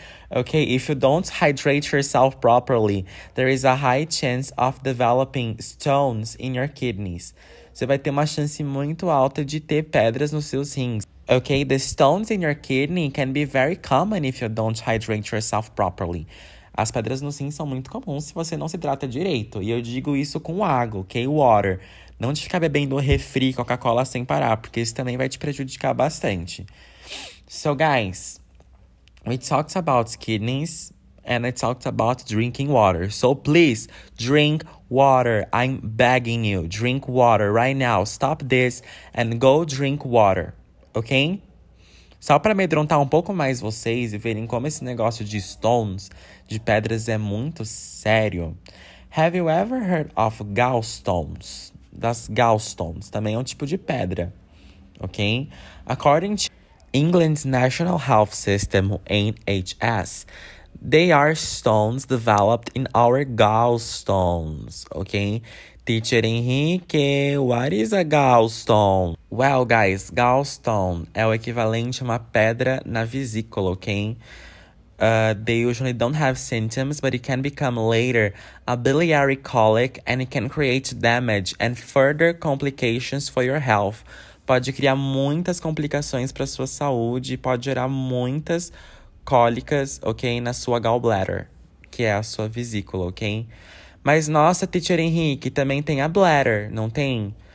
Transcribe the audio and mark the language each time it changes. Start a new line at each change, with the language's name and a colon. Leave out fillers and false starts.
English: Okay, if you don't hydrate yourself properly, there is a high chance of developing stones in your kidneys.
Portuguese: Você vai ter uma chance muito alta de ter pedras nos seus rins.
English: Okay, the stones in your kidney can be very common if you don't hydrate yourself properly.
Portuguese: As pedras nos rins são muito comuns se você não se hidrata direito. E eu digo isso com água, okay? Water. Não de ficar bebendo refri, Coca-Cola sem parar, porque isso também vai te prejudicar bastante.
English: So, guys, we talked about kidneys and I talked about drinking water. So, please, drink water. I'm begging you. Drink water right now. Stop this and go drink water, okay?
Portuguese: Só para amedrontar um pouco mais vocês e verem como esse negócio de stones, de pedras, é muito sério.
English: Have you ever heard of gallstones?
Portuguese: Das gallstones, também é um tipo de pedra, ok?
English: According to England's National Health System, NHS, they are stones developed in our gallstones, ok? Teacher Henrique, what is a gallstone? Well, guys,
Portuguese: gallstone é o equivalente a uma pedra na vesícula, ok?
English: They usually don't have symptoms, but it can become later a biliary colic and it can create damage and further complications for your health.
Portuguese: Pode criar muitas complicações para sua saúde e pode gerar muitas cólicas, ok, na sua gallbladder, que é a sua vesícula, ok? Mas nossa, teacher Henrique, também tem a bladder, não tem?